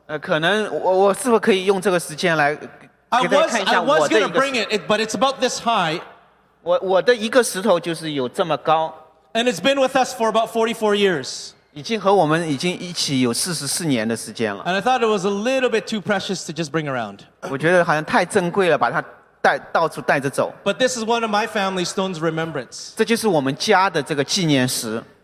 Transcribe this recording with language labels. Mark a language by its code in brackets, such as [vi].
[zh] 可能我是否可以用这个时间来给大家看一下我的一个石头。 [en] I was going to bring it, but it's about this high. [zh] 我的一个石头就是有这么高。 [en] And it's been with us for about 44 years. [zh] 已经和我们已经一起有44年的时间了。 [en] And I thought it was a little bit too precious to just bring around. [zh] 我觉得好像太珍贵了，把它带到处带着走。 [en] But this is one of my family stones of remembrance. [zh] 这就是我们家的这个纪念石。